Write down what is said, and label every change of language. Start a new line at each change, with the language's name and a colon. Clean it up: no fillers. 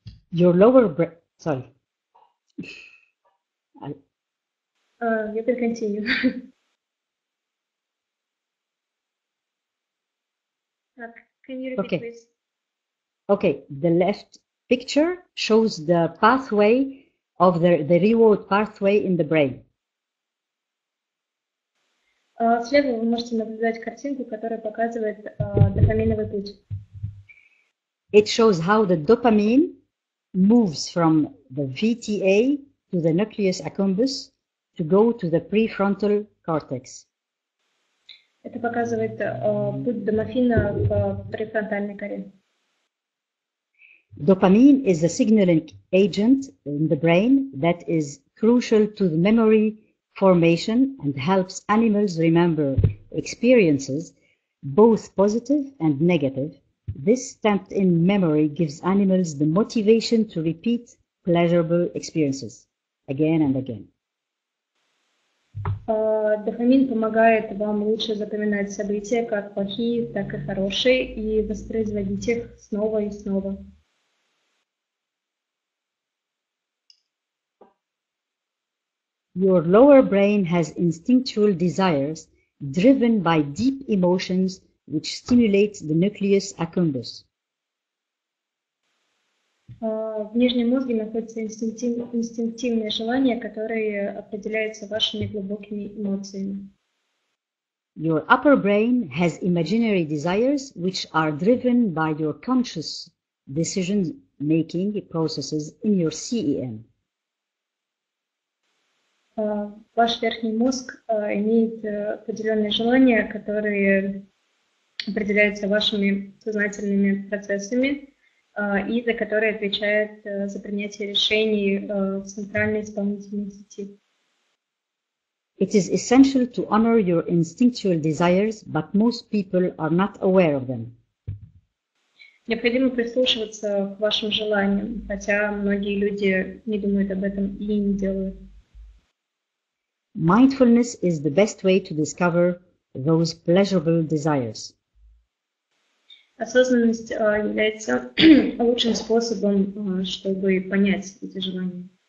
English: You can continue. Can you repeat, okay, please? Okay, the left picture shows the pathway of the reward pathway in the brain.
Russian: Слева вы можете наблюдать картинку, которая показывает дофаминовый путь.
English: It shows how the dopamine moves from the VTA to the nucleus accumbens to go to the prefrontal cortex.
Russian: Это показывает путь дофамина к префронтальной коре.
English: Dopamine is a signaling agent in the brain that is crucial to the memory formation and helps animals remember experiences, both positive and negative. This stamped-in memory gives animals the motivation to repeat pleasurable experiences again and again.
Russian: Дофамин помогает вам лучше запоминать события, как плохие, так и хорошие, и воспроизводить их снова и снова.
English: Your lower brain has instinctual desires driven by deep emotions which stimulate the nucleus accumbens.
Russian: В нижнем мозге находятся инстинктивные желания, которые определяются вашими глубокими эмоциями.
English: Your upper brain has imaginary desires which are driven by your conscious decision-making processes in your CEM.
Russian: Ваш верхний мозг имеет определенные желания, которые определяются вашими сознательными процессами и за которые отвечает за принятие решений в центральной исполнительной сети.
English: It is essential to honor your instinctual desires, but most people are not aware of them.
Russian: Необходимо прислушиваться к вашим желаниям, хотя многие люди не думают об этом и не делают.
English: Mindfulness is the best way to discover those pleasurable desires.
Russian: Осознанность является лучшим способом, чтобы понять эти желания.